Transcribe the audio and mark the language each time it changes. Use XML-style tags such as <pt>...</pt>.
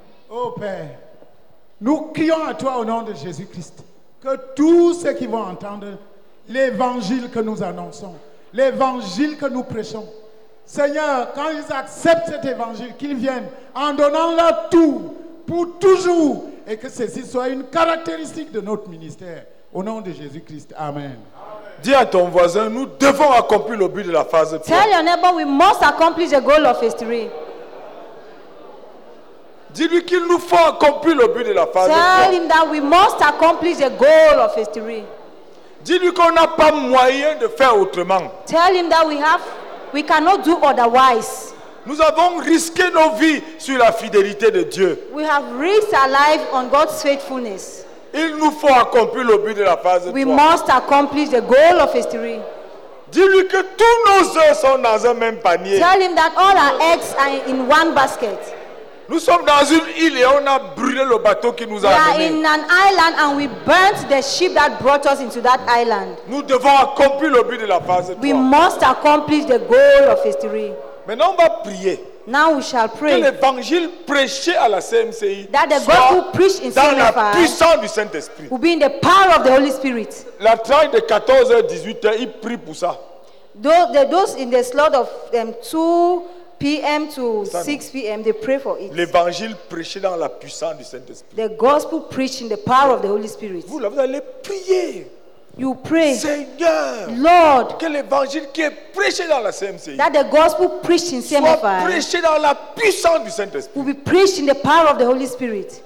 <fr>Oh Père, nous crions à toi au nom de Jésus-Christ que tous ceux qui vont entendre l'évangile que nous annonçons, l'évangile que nous prêchons, Seigneur, quand ils acceptent cet évangile, qu'ils viennent en donnant leur tout pour toujours. Et que ceci soit une caractéristique de notre ministère. Au nom de Jésus-Christ. Amen. Amen. Dis à ton voisin, nous devons accomplir le but de la phase 3.</fr> <en>Tell your neighbor, we must accomplish the goal of phase 3.</en> <fr>Dis-lui qu'il nous faut accomplir le but de la phase 3.</fr> <en>Tell him that we must accomplish the goal of phase 3.</en> <fr>Dis-lui qu'on n'a pas moyen de faire autrement.</fr> <en>Tell him that we cannot do otherwise.</en> <fr>Nous avons risqué nos vies sur la fidélité de Dieu.</fr> <en>We have risked our life on God's faithfulness.</en> <fr>Il nous faut accomplir le but de la phase 3.</fr> <en>We must accomplish the goal of phase 3.</en> <fr>Dis-lui que tous nos œufs sont dans un même panier.</fr> <en>Tell him that all our eggs are in one basket.</en> <fr>Nous sommes dans une île et on a brûlé le bateau qui nous a amenés.</fr> <en>We are in an island and we burnt the ship that brought us into that island.</en> <fr>Nous devons accomplir le but de la phase 3.</fr> <en>We must accomplish the goal of phase 3.</en> <fr>Maintenant, on va prier.</fr> <en>Now we shall pray.</en> <fr>Que l'évangile prêché à la CMCI</fr> <en>that the gospel preached in</en> <fr>CMCI dans la puissance du Saint-Esprit.</fr> <en>Will be in the power of the Holy Spirit.</en> <fr>La traite de 14h 18h, il prie pour ça.</fr> <en>Those in the slot of 2 p.m. to 6 p.m. they pray for it.</en> <fr>L'évangile prêché dans la puissance du Saint-Esprit.</fr> <en>The gospel preached in the power of the Holy Spirit.</en> <fr>Vous allez prier.</fr> <en>You pray,</en> <fr>Seigneur,</fr> <en>Lord,</en> <fr>que l'évangile qui est prêché dans la CMC,</fr> <en>that the gospel preached in CMFI,</en> <fr>soit prêché dans la puissance du Saint-Esprit,</fr> <en>will be preached in the power of the Holy Spirit.</en>